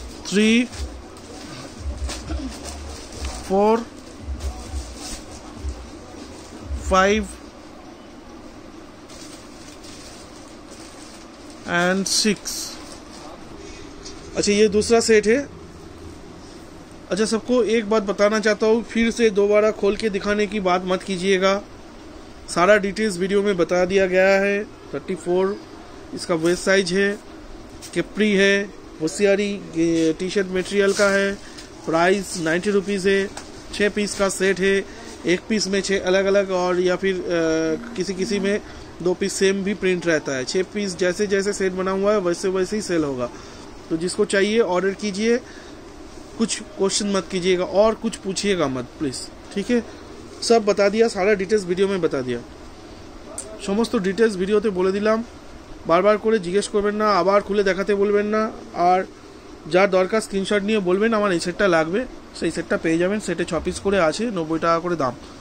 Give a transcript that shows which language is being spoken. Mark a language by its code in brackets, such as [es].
[en] 3, 4, 5 and 6। [hi] अच्छा ये दूसरा सेट है। अच्छा सबको एक बात बताना चाहता हूँ, फिर से दोबारा खोल के दिखाने की बात मत कीजिएगा, सारा डिटेल्स वीडियो में बता दिया गया है। 34 इसका वेस्ट साइज है, केप्री है, होशियारी टी शर्ट मटेरियल का है, प्राइस 90 रुपीज़ है, 6 पीस का सेट है, 1 पीस में 6 अलग अलग और या फिर किसी किसी में 2 पीस सेम भी प्रिंट रहता है, 6 पीस जैसे जैसे सेट बना हुआ है वैसे वैसे ही सेल होगा। तो जिसको चाहिए ऑर्डर कीजिए, कुछ क्वेश्चन मत कीजिएगा और कुछ पूछिएगा मत प्लीज़, ठीक है। सब बता दिया, सारा डिटेल्स वीडियो में बता दिया, [bn] समस्त डिटेल्स वीडियोते बोले दिलाम, বার বার করে জিজ্ঞেস করবেন না, আবার খুলে দেখাতে বলবেন না, আর যার দরকার স্ক্রিনশট নিয়ে বলবেন আমার এই সেটটা লাগবে, সেই সেটটা পেয়ে যাবেন, সেটে 6 পিস করে আছে, 90 টাকা করে দাম।